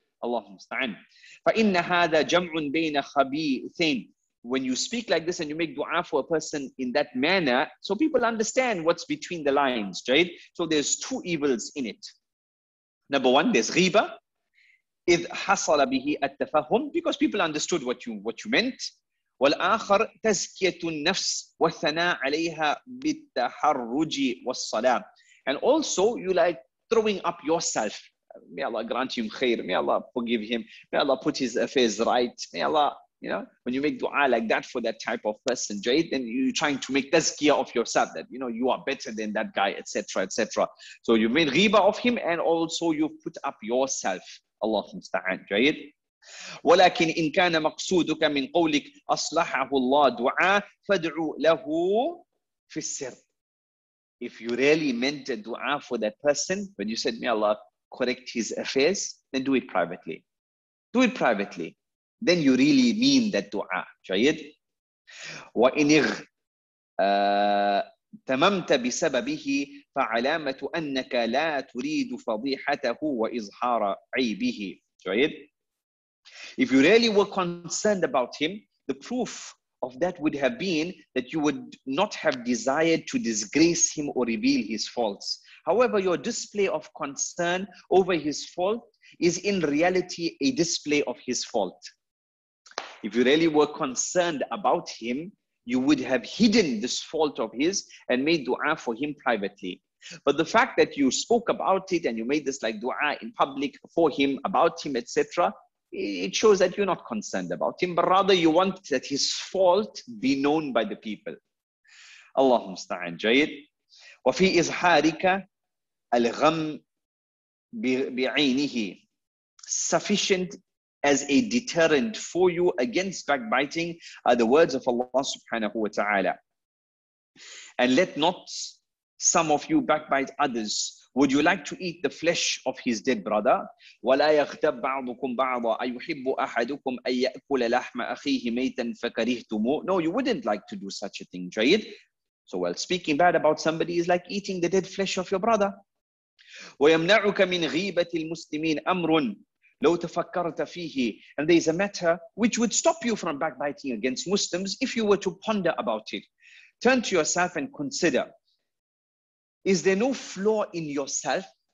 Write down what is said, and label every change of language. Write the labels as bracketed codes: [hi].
[ar] Allahumma sta'an. فَإِنَّ هَذَا جَمْعٌ بَيْنَ خَبِيثَيْنَ. [en] When you speak like this and you make dua for a person in that manner, so people understand what's between the lines, Jayid. So there's two evils in it. Number one, there's ghiba. [ar] إِذْ حَصَلَ بِهِ التَّفَهُمْ. [en] Because people understood what you meant. [ar] والآخر تزكية النفس والثناء عليها بالتحرج والصلاة. [en] And also you like throwing up yourself. May Allah grant him khair. May Allah forgive him. May Allah put his affairs right. May Allah, you know, when you make dua like that for that type of person, Jayid, then you're trying to make tazkiyah of yourself that, you know, you are better than that guy, etc., etc. So you made ghiba of him and also you put up yourself. [ar] Allahumma sta'an, Jayid. ولكن إن كان مقصودك من قولك أصلحه الله دعاء فادعو له في السر. [en] If you really meant a dua for that person, when you said may Allah correct his affairs, then do it privately. Do it privately. Then you really mean that dua. [ar] جيد. وإن اغتممت بسببه فعلامة أنك لا تريد فضيحته وإظهار عيبه. جيد. [en] If you really were concerned about him, the proof of that would have been that you would not have desired to disgrace him or reveal his faults. However, your display of concern over his fault is in reality a display of his fault. If you really were concerned about him, you would have hidden this fault of his and made dua for him privately. But the fact that you spoke about it and you made this like dua in public for him, about him, etc., it shows that you're not concerned about him, but rather you want that his fault be known by the people. [ar] Allahumma sta'an, Jayid. وَفِي إِظْهَارِكَ الْغَمْ بِعَيْنِهِ. [en] Sufficient as a deterrent for you against backbiting are the words of Allah subhanahu wa ta'ala. And let not some of you backbite others. Would you like to eat the flesh of his dead brother? [ar] وَلَا يَغْتَبْ بَعْضُكُمْ بَعْضًا أَيُحِبُّ أَحَدُكُمْ أَن يَأْكُلَ لَحْمَ أَخِيهِ مَيْتًا فَكَرِهْتُمُ. [en] No, you wouldn't like to do such a thing, Jayid. So while speaking bad about somebody is like eating the dead flesh of your brother. [ar] وَيَمْنَعُكَ مِنْ غِيبَةِ الْمُسْلِمِينَ أَمْرٌ لَوْ تَفَكَّرْتَ فِيهِ. [en] And there is a matter which would stop you from backbiting against Muslims if you were to ponder about it. Turn to yourself and consider. Is there no flaw in yourself?